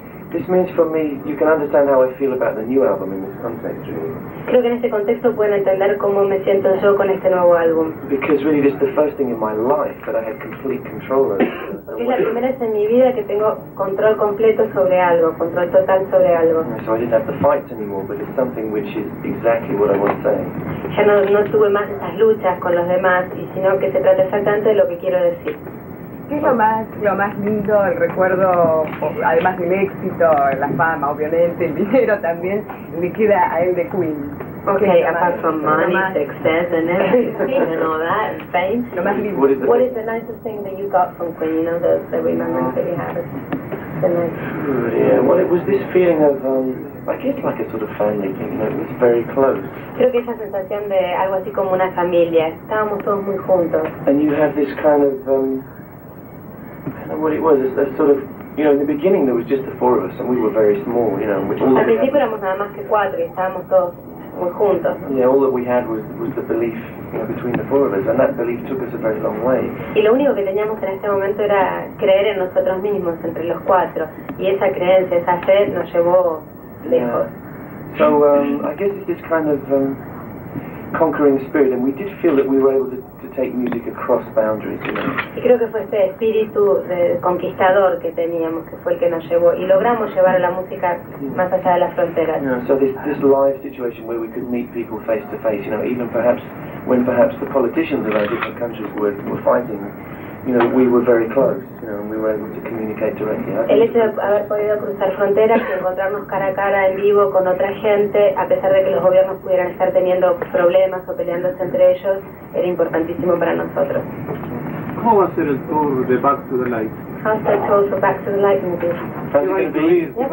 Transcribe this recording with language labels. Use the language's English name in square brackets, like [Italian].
[English] This means for me, you can understand how I feel about the new album in this context, really. [Spanish] Creo que en este contexto pueden entender cómo me siento yo con este nuevo álbum. [English] Because really, this is the first thing in my life that I had complete control over. [Spanish] es la primera vez en mi vida que tengo control completo sobre algo, control total sobre algo. [English] So I didn't have the fight anymore, but it's something which is exactly what I want to say. [Spanish] Ya no tuve más esas luchas con los demás, y sino que se trata exactamente de lo que quiero decir. ¿Qué es lo más lindo, el recuerdo, además del éxito, la fama, obviamente, el dinero también, le queda a él de Queen? [English] Okay, apart from money, success, and everything, and all that, and fame, what is the nicest thing that you got from Queen, you know, the remembrance that you have? Well, it was this feeling of, I guess like a sort of family thing, you know, it was very close. [Spanish] Creo que esa sensación de algo así como una familia, estábamos todos muy juntos. [English] And you have this kind of, what it was, a sort of, you know, in the beginning there was just the four of us, and we were very small, you know. [Spanish] Al principio éramos nada más que cuatro, y estábamos todos. [English] Yeah, all that we had was the belief, you know, between the four of us, and that belief took us a very long way. [Spanish] Y lo único que teníamos en este momento era creer en nosotros mismos entre los cuatro, y esa creencia, esa fe, nos llevó lejos. [English] Yeah. So I guess it's this kind of conquering spirit, and we did feel that we were able to take music across boundaries, you know. [Spanish] Y creo que fue ese espíritu conquistador que teníamos, que fue el que nos llevó, y logramos llevar a la música más allá de las fronteras. [English] Yeah, so this live situation where we could meet people face to face, you know, even perhaps when perhaps the politicians of our different countries were fighting, you know, we were very close, you know, and we were able to communicate directly. [Spanish] El hecho de haber podido cruzar fronteras y encontrarnos cara a cara en vivo con otra gente, a pesar de que los gobiernos pudieran estar teniendo problemas o peleándose entre ellos, era importantísimo para nosotros. ¿Cómo va a ser el tour de Back to the Light? [English] How's the tour for Back to the Light going to be?